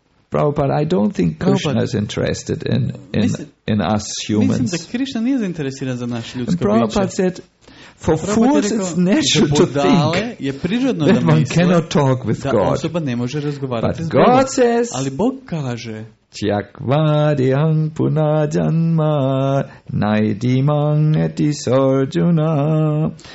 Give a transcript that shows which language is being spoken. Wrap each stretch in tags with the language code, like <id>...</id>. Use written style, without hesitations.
<en>Prabhupada, I don't think Krishna is interested in us humans.</en> <hr>Mislim da Krishna nije zainteresiran za naše ljudske biće.</hr> <en>Prabhupada said, for fools it's natural to think that one cannot talk with God.</en> <hr>Osoba ne može razgovarati s Bogom.</hr> <en>Says,</en> <hr>ali Bog kaže,</hr> <sa>Chyakvadiyam punajanma naidimang eti sarjuna.</sa>